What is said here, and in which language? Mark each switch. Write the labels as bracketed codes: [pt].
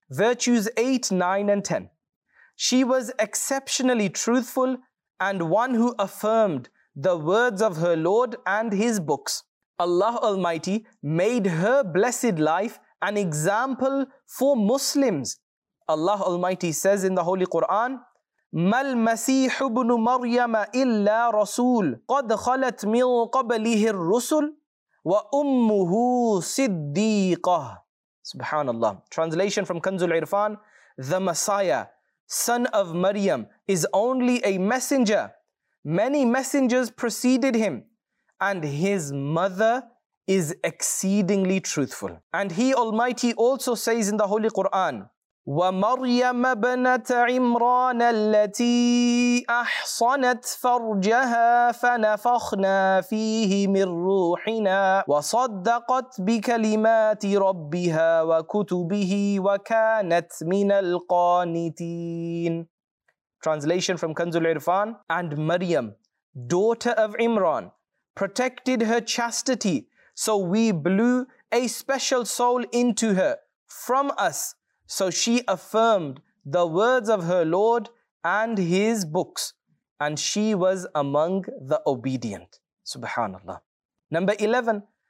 [en] Virtues 8, 9 and 10. She was exceptionally truthful and one who affirmed the words of her Lord and His books. Allah Almighty made her blessed life an example for Muslims. Allah Almighty says in the Holy Quran, [ar] مَا الْمَسِيحُ بْنُ مَرْيَمَ إِلَّا رَسُولٌ قَدْ خَلَتْ مِنْ قَبْلِهِ الرُّسُلُ وَأُمُّهُ صِدِّيقَةٌ. [en] Subhanallah. Translation from Kanzul Irfan, the Messiah, son of Maryam, is only a messenger. Many messengers preceded him, and his mother is exceedingly truthful. And He Almighty also says in the Holy Quran, [ar] وَمَرْيَمَ بْنَتَ عِمْرَانَ الَّتِي أَحْصَنَتْ فَرْجَهَا فَنَفَخْنَا فِيهِ مِنْ رُوحِنَا وَصَدَّقَتْ بِكَلِمَاتِ رَبِّهَا وَكُتُبِهِ وَكَانَتْ مِنَ الْقَانِتِينَ. [en] Translation from Kanzul Irfan, and Maryam, daughter of Imran, protected her chastity, so we blew a special soul into her from us, so she affirmed the words of her Lord and His books, and she was among the obedient. Subhanallah. Number 11,